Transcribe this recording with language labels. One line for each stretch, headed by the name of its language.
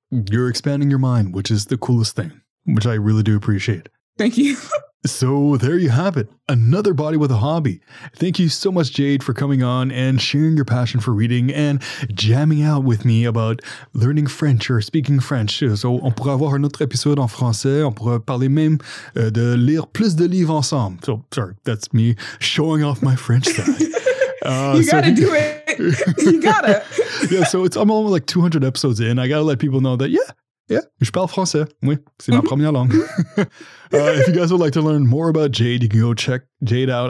English: You're expanding your mind, which is the coolest thing, which I really do appreciate. Thank you. So there you have it. Another body with a hobby. Thank you so much, Jade, for coming on and sharing your passion for reading and jamming out with me about learning French or speaking French.
French: So on pourrait avoir un autre épisode en français. On pourrait parler même de lire plus de livres ensemble.
English: So sorry, that's me showing off my French side. You gotta do it. Yeah, so I'm almost like 200 episodes in. I gotta let people know that, yeah,
French: je parle français. Oui, c'est ma première langue.
English: If you guys would like to learn more about Jade, you can go check Jade out.